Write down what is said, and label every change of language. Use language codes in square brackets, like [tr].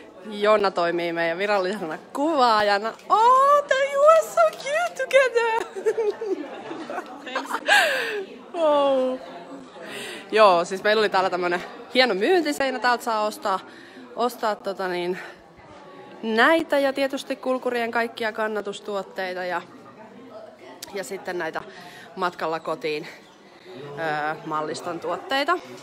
[fi] Jonna toimii meidän virallisena kuvaajana. [en] Oh, that you are so cute together! Oh. [fi] Joo, siis meillä oli täällä tämmönen hieno myyntiseinä, täältä saa ostaa tota niin, näitä ja tietysti kulkurien kaikkia kannatustuotteita ja sitten näitä matkalla kotiin malliston tuotteita.